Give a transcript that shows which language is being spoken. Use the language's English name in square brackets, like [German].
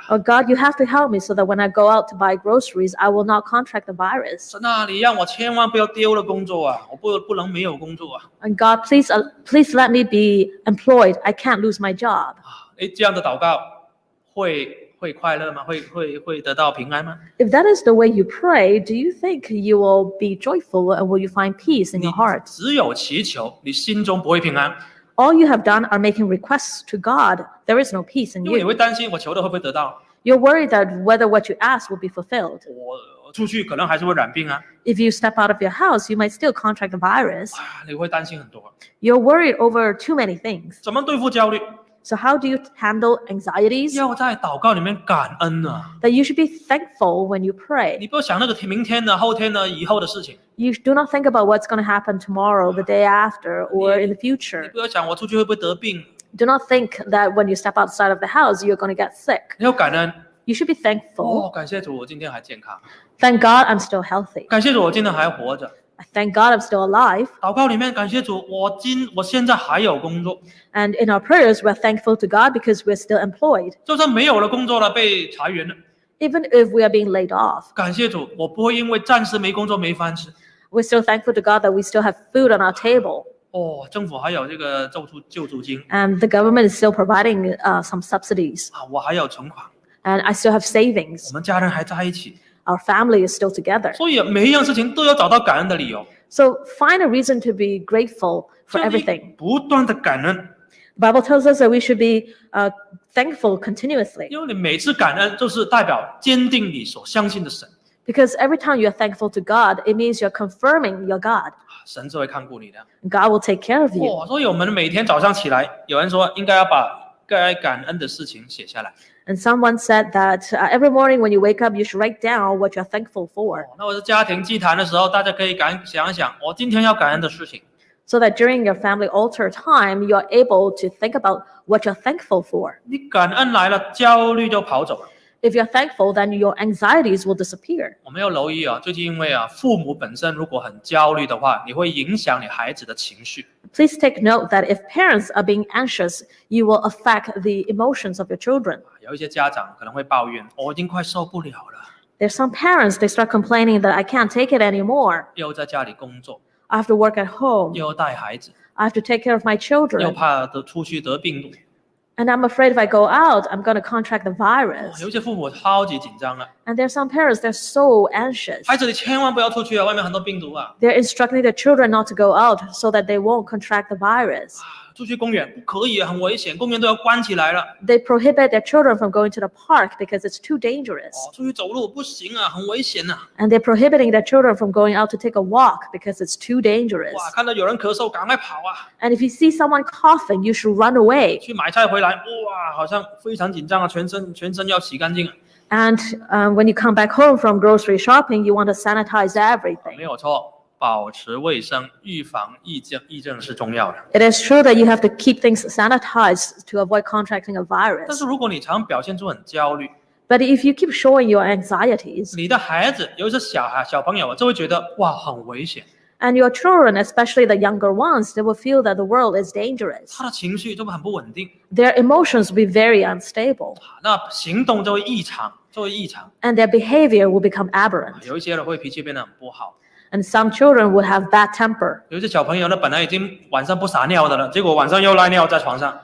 [English] Oh God, you have to help me so that when I go out to buy groceries, I will not contract the virus. [Chinese] 那你让我千万不要丢了工作啊，我不能没有工作啊。 [English] And God, please let me be employed. I can't lose my job. [Chinese] 啊，这样的祷告会快乐吗？会得到平安吗？ [English] If that is the way you pray, do you think you will be joyful and will you find peace in your heart? [Chinese] 只有祈求，你心中不会平安。 [English] All you have done are making requests to God. There is no peace in you. [Chinese] 因为你会担心我求的会不会得到。 [English] You're worried that whether what you ask will be fulfilled. [Chinese] 我出去可能还是会染病啊。 [English] If you step out of your house, you might still contract the virus. [Chinese] 你会担心很多。 [English] You're worried over too many things. [Chinese] 怎么对付焦虑？ [English] So how do you handle anxieties? [Chinese] 要在祷告里面感恩啊。 [English] That you should be thankful when you pray. [Chinese] 你不要想那个明天的、后天的、以后的事情。 [English] You do not think about what's going to happen tomorrow, the day after, or in the future. [Chinese] 你不要想我出去会不会得病。 [English] Do not think that when you step outside of the house, you're going to get sick. [Chinese] 你要感恩。 [English] You should be thankful. [Chinese] 哦，感谢主，我今天还健康。 [English] Thank God, I'm still healthy. [Chinese] 感谢主，我今天还活着。 [English] Thank God I'm still alive. [Chinese] 祷告里面感谢主，我现在还有工作。 [English] And in our prayers, we're thankful to God because we're still employed. [Chinese] 就算没有了工作了，被裁员了。 [English] Even if we are being laid off. [Chinese] 感谢主，我不会因为暂时没工作没饭吃。 [English] We're still thankful to God that we still have food on our table. [Chinese] 哦，政府还有这个救助金。 [English] And the government is still providing some subsidies. [Chinese] 啊，我还有存款。 [English] And I still have savings. [Chinese] 我们家人还在一起。 [English] Our family is still together. [Chinese] 所以每一样事情都要找到感恩的理由。 [English] So find a reason to be grateful for everything. [Chinese] 不断的感恩。 [English] The Bible tells us that we should be thankful continuously. [Chinese] 因为你每次感恩就是代表坚定你所相信的神。 [English] Because every time you are thankful to God, it means you are confirming your God. [Chinese] 神就会看顾你的。 [English] God will take care of you. [Chinese] 所以我们每天早上起来，有人说应该要把该感恩的事情写下来。 [English] And someone said that every morning when you wake up, you should write down what you're thankful for. [Chinese] 那我是家庭祭坛的时候，大家可以想想我今天要感恩的事情。 [English] So that during your family altar time, you're able to think about what you're thankful for. [Chinese] 你感恩来了，焦虑就跑走了。 [English] If you're thankful, then your anxieties will disappear. [Chinese] 我没有留意啊，最近因为啊，父母本身如果很焦虑的话，你会影响你孩子的情绪。 [English] Please take note that if parents are being anxious, you will affect the emotions of your children. [Chinese] 有一些家长可能会抱怨，我已经快受不了了。 [English] There's some parents they start complaining that I can't take it anymore. [Chinese] 又在家里工作。 [English] I have to work at home. [Chinese] 又要带孩子。 [English] I have to take care of my children. [Chinese] 又怕出去得病毒。 [English] And I'm afraid if I go out, I'm going to contract the virus. [Chinese] 有些父母超级紧张了。 [English] And there are some parents, they're so anxious. [Chinese] 孩子你千万不要出去啊, 外面很多病毒啊。 [English] They're instructing their children not to go out so that they won't contract the virus. [Chinese] 出去公园不可以, 很危险, 公园都要关起来了。 [English] They prohibit their children from going to the park because it's too dangerous. [Chinese] 出去走路不行啊, 很危险啊。 [English] And they're prohibiting their children from going out to take a walk because it's too dangerous. [Chinese] 哇, 看到有人咳嗽, 赶快跑啊。 [English] And if you see someone coughing, you should run away. [Chinese] 去买菜回来, 哇, 好像非常紧张啊, 全身要洗干净啊。 [English] And when you come back home from grocery shopping, you want to sanitize everything. [Chinese] 没有错。保持卫生,预防疫症是重要的。 [English] It is true that you have to keep things sanitized to avoid contracting a virus. [Chinese] 但是如果你常表现出很焦虑, [English] But if you keep showing your anxieties, [Chinese] 你的孩子, 尤其是小孩, 小朋友, 就会觉得, 哇, 很危险。 [English] And your children, especially the younger ones, they will feel that the world is dangerous. [Chinese] 他的情绪都很不稳定。 [English] Their emotions will be very unstable. [Chinese] 那行动就会异常, 就会异常。 [English] And their behavior will become aberrant. [Chinese] 有一些人会脾气变得很不好。 [English] And some children would have bad temper. [Chinese] 有些小朋友呢，本来已经晚上不撒尿的了，结果晚上又赖尿在床上。